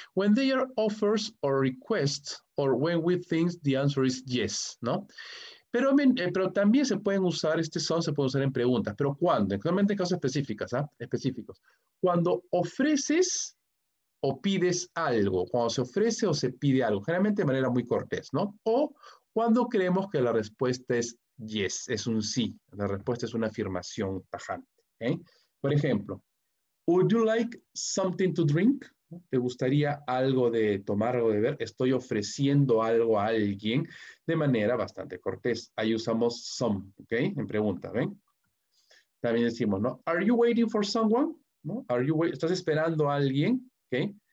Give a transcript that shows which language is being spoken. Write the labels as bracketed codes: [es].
[en] When they are offers or requests, or when we think the answer is yes, ¿no? [es] Pero también se pueden usar, este son se puede usar en preguntas. ¿Pero cuándo? Exactamente en casos específicos, ¿ah? Específicos. Cuando ofreces o pides algo. Cuando se ofrece o se pide algo. Generalmente de manera muy cortés, ¿no? O cuando creemos que la respuesta es yes, es un sí. La respuesta es una afirmación tajante. ¿Okay? Por ejemplo, [en] would you like something to drink? [es] ¿Te gustaría algo de tomar o de beber? Estoy ofreciendo algo a alguien de manera bastante cortés. Ahí usamos some, ¿ok? En pregunta, ¿ven? También decimos, ¿no? [en] Are you waiting for someone? ¿No? [es] ¿Estás esperando a alguien? [en] ¿Ok?